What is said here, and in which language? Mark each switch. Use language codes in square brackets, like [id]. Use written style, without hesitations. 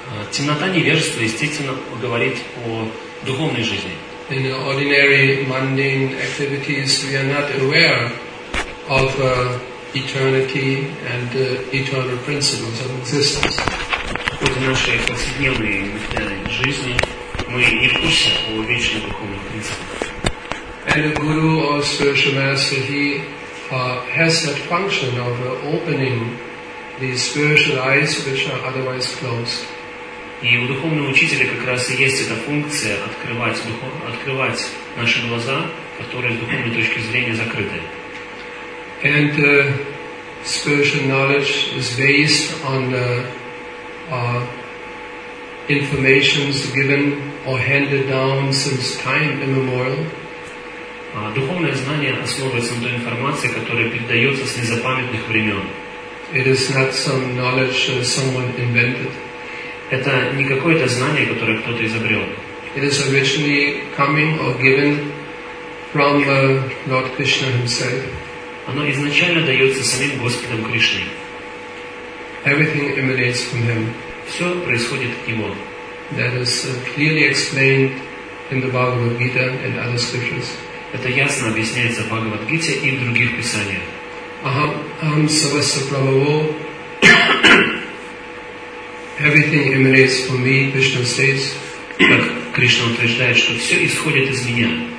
[ru] Темнота невежества, естественно, говорит о духовной жизни. [en] In ordinary mundane activities, we are not aware of eternity and eternal principles of existence. [ru] В нашей повседневной жизни мы не в курсе о вечных духовных принципах. [en] And the guru or spiritual master, he has that function of opening these spiritual eyes which are otherwise closed. [ru] И у духовного учителя как раз и есть эта функция открывать наши глаза, которые с духовной точки зрения закрыты. [en] And spiritual knowledge is based on the information given or handed down since time immemorial. [ru] Духовное знание основывается на той информации, которая передается с незапамятных времен. [en] It is not some knowledge someone invented. [ru] Это не какое-то знание, которое кто-то изобрел. [en] It is originally coming or given from Lord Krishna himself. [ru] Оно изначально дается самим Господом Кришной. [en] Everything emanates from him. [ru] Все происходит от него. [en] That is clearly explained in the Bhagavad Gita and other scriptures. [ru] Это ясно объясняется в Бхагавад-гите и в других писаниях. [sa] Aham savasya prabhavo. [en] Everything emanates from me, Krishna states. [ru] Как Кришна утверждает, что все исходит из меня.